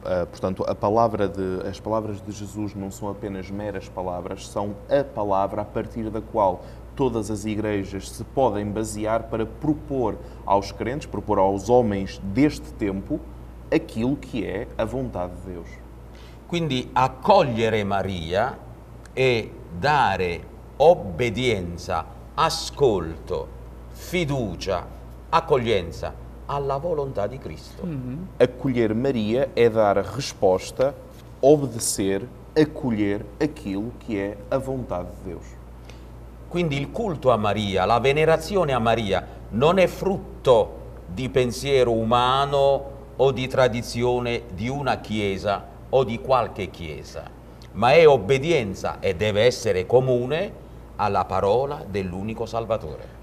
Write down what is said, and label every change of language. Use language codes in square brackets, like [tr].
[pt] Portanto, as palavras de Jesus não são apenas meras palavras, são a palavra a partir da qual todas as igrejas se podem basear para propor aos crentes, propor aos homens deste tempo, aquilo que é a vontade de Deus. [it] Quindi, accogliere Maria e dare obbedienza, ascolto, fiducia, accoglienza alla volontà di Cristo. [pt] Acolher Maria é dar resposta, obedecer, acolher aquilo que é a vontade de Deus. [it] Quindi il culto a Maria, la venerazione a Maria, non è frutto di pensiero umano o di tradizione di una chiesa o di qualche chiesa, ma è obbedienza e deve essere comune alla parola dell'unico Salvatore.